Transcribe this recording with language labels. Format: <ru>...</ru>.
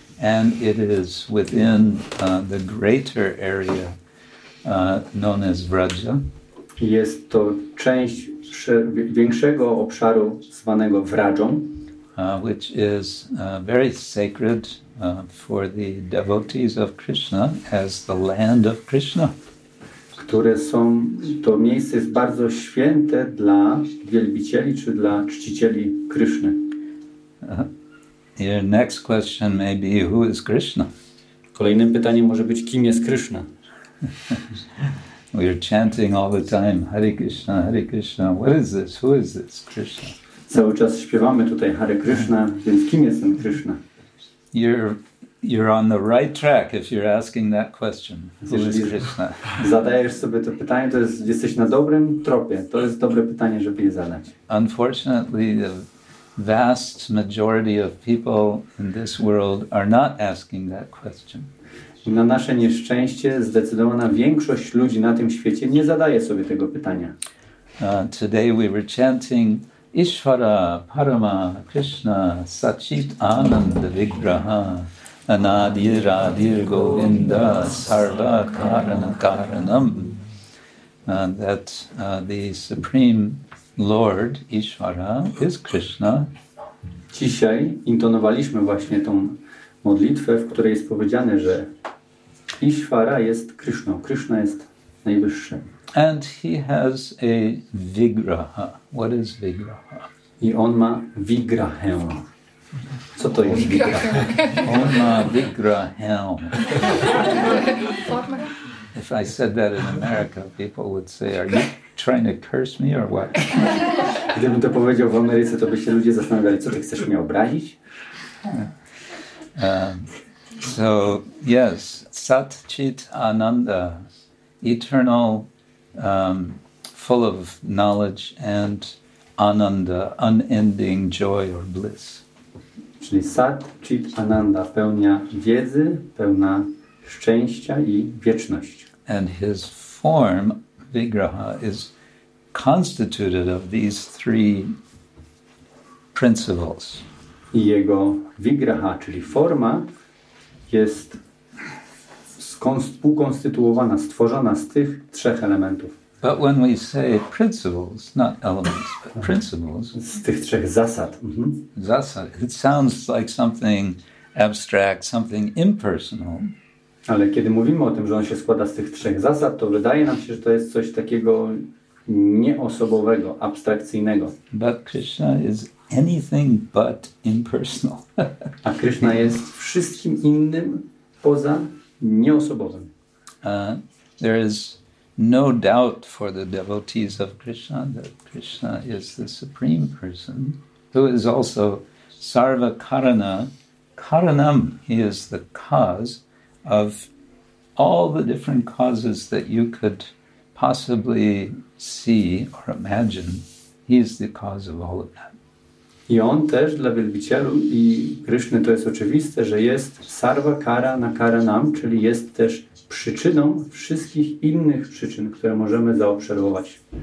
<en>And it is within the greater area known as Vraja.</en> <pl>Jest to część większego obszaru zwanego Vrajom.</pl> <en>which is very sacred for the devotees of Krishna as the land of Krishna.</en> <pl>Które są, to miejsce jest bardzo święte dla wielbicieli czy dla czcicieli Kryszny.</pl> <en>Your next question may be, who is Krishna?</en> <pl>Kolejnym pytaniem może być, kim jest Krishna?</pl> <en>We are chanting all the time, Hare Krishna, Hare Krishna. What is this? Who is this Krishna?</en> <pl>Cały czas śpiewamy tutaj Hare Krishna, więc kim jest ten Krishna?</pl> <en>You're on the right track if you're asking that question. Who is Krishna?</en> <pl>Zadajesz sobie to pytanie, to jest, jesteś na dobrym tropie. To jest dobre pytanie, żeby je zadać.</pl> <en>Unfortunately, the vast majority of people in this world are not asking that question.</en> <pl>Na nasze nieszczęście zdecydowana większość ludzi na tym świecie nie zadaje sobie tego pytania.</pl> <en>Today we were chanting</en> <sa>Ishvara Parama Krishna Sachit Ananda Vigraha Anadir Adir Govinda Sarva Karana Karanam.</sa> <en>That the Supreme Lord Ishvara is Krishna.</en> <pl>Dzisiaj intonowaliśmy właśnie tą modlitwę, w której jest powiedziane, że Ishvara jest Krishna. Krishna jest najwyższy.</pl> <en>And he has a vigraha. What is vigraha?</en> <pl>I on ma vigrahę. Co to jest vigraha? On ma vigrahę.</pl> <en>If I said that in America, people would say, are you trying to curse me or what?</en> <pl>Gdybym to powiedział w Ameryce, to by się ludzie zastanawiali, co ty chcesz mnie obrazić?</pl> <en>So, yes, Sat Chit Ananda, eternal, full of knowledge and ananda, unending joy or bliss.</en> <pl>Czyli Sat Chit Ananda, pełnia wiedzy, pełna szczęścia i wieczność.</pl> <en>And his form, Vigraha, is constituted of these three principles.</en> <pl>I jego Vigraha, czyli forma, jest ukonstytuowana, stworzona z tych trzech elementów.</pl> <en>But when we say principles, not elements, but principles.</en> <pl>Z tych trzech zasad. Zasad.</pl> <en>It sounds like something abstract, something impersonal.</en> <pl>Ale kiedy mówimy o tym, że on się składa z tych trzech zasad, to wydaje nam się, że to jest coś takiego nieosobowego, abstrakcyjnego.</pl> <en>But Krishna is anything but impersonal.</en> <pl>A Krishna jest wszystkim innym poza nieosobowym.</pl> <en>There is no doubt for the devotees of Krishna that Krishna is the supreme person, who is also sarva karana karanam. He is the cause of all the different causes that you could possibly see or imagine. He is the cause of all of that.</en> <pl>I on też dla wielbicielu i Kryszny to jest oczywiste, że jest sarva kara na kara nam, czyli jest też przyczyną wszystkich innych przyczyn, które możemy zaobserwować.</pl>